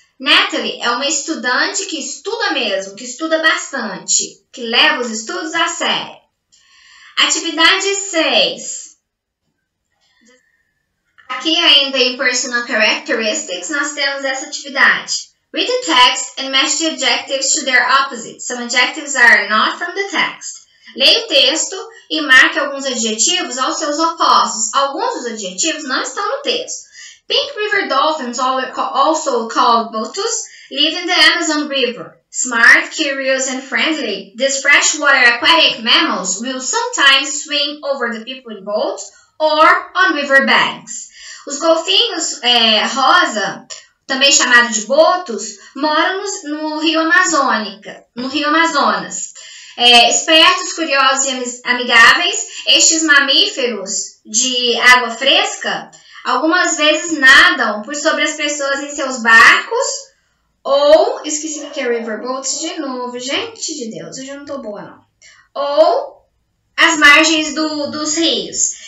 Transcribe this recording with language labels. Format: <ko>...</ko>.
<pt>Natalie é uma estudante que estuda mesmo, que estuda bastante, que leva os estudos a sério. Atividade 6. Aqui ainda em Personal Characteristics, nós temos essa atividade.</pt> <en>Read the text and match the adjectives to their opposites. Some adjectives are not from the text.</en> <pt>Leia o texto e marque alguns adjetivos aos seus opostos. Alguns dos adjetivos não estão no texto.</pt> <en>Pink River dolphins, also called botus, live in the Amazon River. Smart, curious, and friendly, these freshwater aquatic mammals will sometimes swim over the people in boats or on river banks.</en> <pt>Os golfinhos rosa, também chamados de botos, moram no Rio Amazonas. Espertos, curiosos e amigáveis, estes mamíferos de água fresca algumas vezes nadam por sobre as pessoas em seus barcos ou, esqueci que é river boats de novo, gente de Deus, hoje eu não tô boa não, ou as margens dos rios.</pt>